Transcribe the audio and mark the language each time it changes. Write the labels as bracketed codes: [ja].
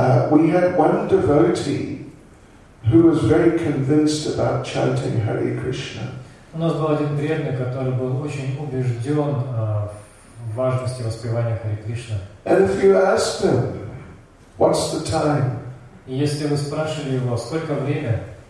[en] We had one devotee who was very convinced about chanting Hare Krishna. [ru] У нас был один преданный, который был очень убежден в важности воспевания Хари Кришна. [en] And if you asked him, what's the time? [ru] Если вы спрашивали его, сколько время?